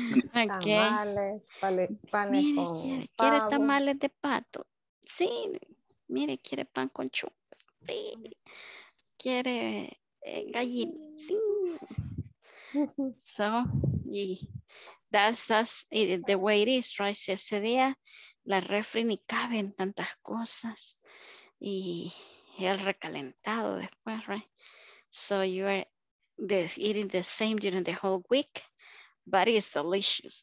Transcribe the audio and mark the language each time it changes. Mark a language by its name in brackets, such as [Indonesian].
[Spanish] Okay. Tamales, panes. Mire, ¿quiere tamales de pato? Sí, mire, quiere pan con chupe. Sí. Quiere gallina. Sí. [English] So, that's it, the way it is, right? [Spanish] Si ese día la refri ni cabe en tantas cosas y el recalentado después, [English] right? So, you are eating the same during the whole week, but it's delicious.